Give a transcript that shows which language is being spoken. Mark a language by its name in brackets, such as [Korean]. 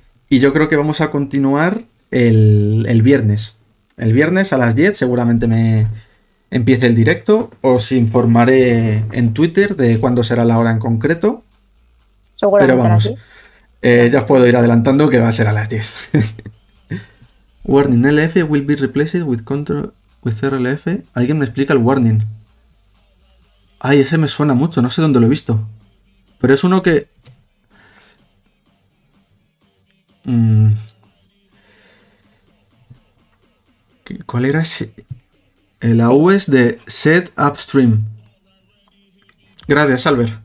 [Spanish] Y yo creo que vamos a continuar el viernes. El viernes a las 10 seguramente me empiece el directo. Os informaré en Twitter de cuándo será la hora en concreto. Pero Seguramente a las vamos, 10. ya os puedo ir adelantando que va a ser a las 10. [English] Warning, LF will be replaced with control with RLF. [Spanish] ¿Alguien me explica el warning? Ay, ese me suena mucho, no sé dónde lo he visto. Pero es uno que... ¿Cuál era ese? El AU es de Set Upstream. Gracias, Albert.